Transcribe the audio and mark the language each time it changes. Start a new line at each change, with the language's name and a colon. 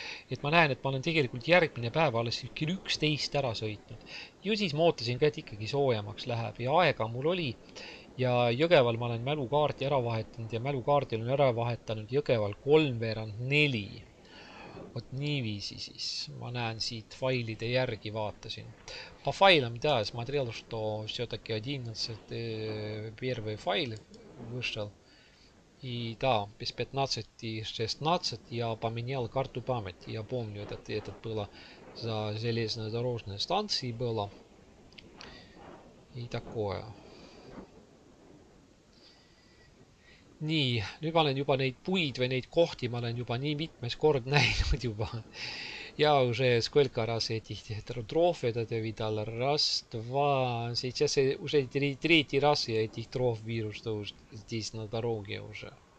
Estonian: Et ma näen, et ma olen tegelikult järgmine päev alles kell 11 ära sõitnud. Ju siis ma ootasin ka, et ikkagi soojemaks läheb. Ja aega mul oli. Ja Jõgeval ma olen mälukaarti ära vahetanud ja mälukaardil on ära vahetanud Jõgeval 3/4. Вот niiviisi siis. Ma näen siit failide järgi vaatasin.
Russian: По файлам, да, смотрел, что все-таки 11 первый файл вышел. И да, без 15-16 я поменял карту памяти. Я помню, это было за железнодорожной станцией было. И такое.
Estonian: Nii, nüüd ma olen juba neid puid või neid kohti, ma olen juba nii mitmes kord näinud juba.
Russian: Ja уже сколько раз этих троф этот я видал, раз, два, сейчас уже третий раз я этих троф вижу, что здесь на дороге уже.